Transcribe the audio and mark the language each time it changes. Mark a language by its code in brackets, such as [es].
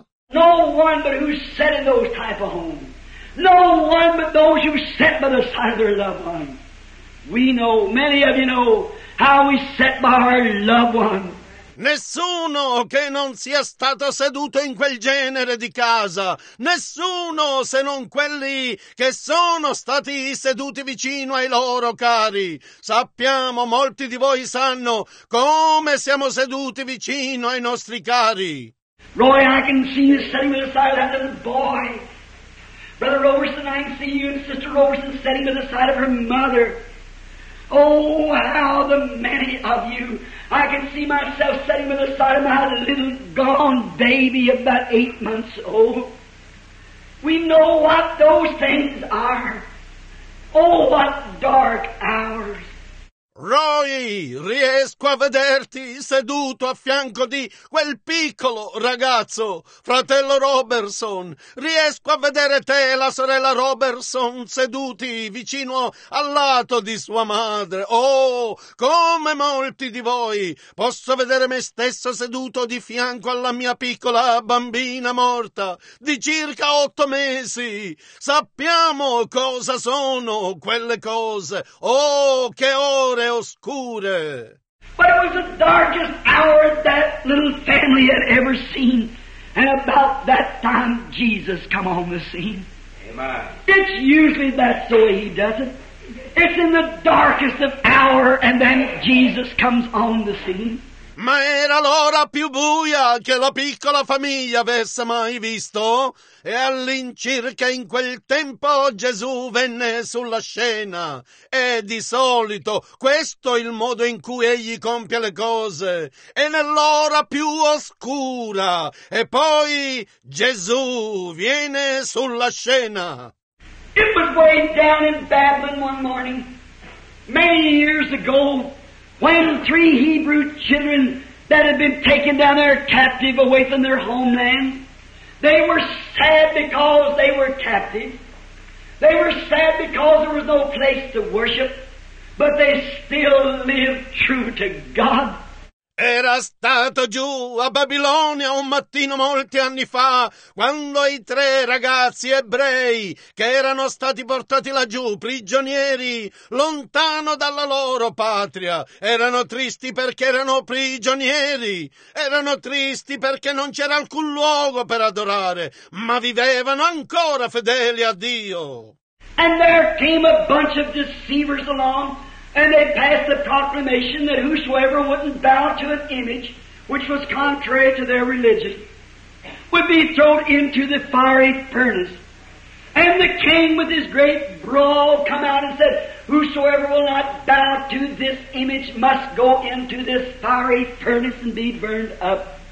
[en] No one but who sat in those type of homes. No one but those who sat by the side of their loved ones. We know, many of you know, how we sat by our loved ones. [it] Nessuno che non sia stato seduto in quel genere di casa, nessuno se non quelli che sono stati seduti vicino ai loro cari. Sappiamo, molti di voi sanno, come siamo seduti vicino ai nostri cari. [en] Roy, I can see you sitting beside that little boy. Brother Roberson, I can see you and Sister Roberson sitting by the side of her mother. Oh, how the many of you, I can see myself sitting by the side of my little gone baby about 8 months old. We know what those things are. Oh, what dark hours. [it] Roy, riesco a vederti seduto a fianco di quel piccolo ragazzo, fratello Robertson. Riesco a vedere te e la sorella Robertson seduti vicino al lato di sua madre. Oh, come molti di voi, posso vedere me stesso seduto di fianco alla mia piccola bambina morta di circa 8 mesi. Sappiamo cosa sono quelle cose. Oh, che ore oscure. [en] But it was the darkest hour that little family had ever seen, and about that time Jesus come on the scene. Amen. It's usually that's the way he does it. It's in the darkest of hour and then Jesus comes on the scene. [it] Ma era l'ora più buia che la piccola famiglia avesse mai visto, e all'incirca in quel tempo Gesù venne sulla scena. E di solito questo è il modo in cui egli compie le cose, è nell'ora più oscura, e poi Gesù viene sulla scena. [en] It was way down in Babylon one morning, many years ago, when three Hebrew children that had been taken down there captive away from their homeland, they were sad because they were captive. They were sad because there was no place to worship, but they still lived true to God. [it] Era stato giù a Babilonia un mattino molti anni fa, quando i tre ragazzi ebrei che erano stati portati laggiù, prigionieri, lontano dalla loro patria, erano tristi perché erano prigionieri, erano tristi perché non c'era alcun luogo per adorare, ma vivevano ancora fedeli a Dio. [en] And there came a bunch of deceivers along. And they passed a proclamation that whosoever wouldn't bow to an image which was contrary to their religion would be thrown into the fiery furnace. And the king with his great brawl come out and said, whosoever will not bow to this image must go into this fiery furnace and be burned up.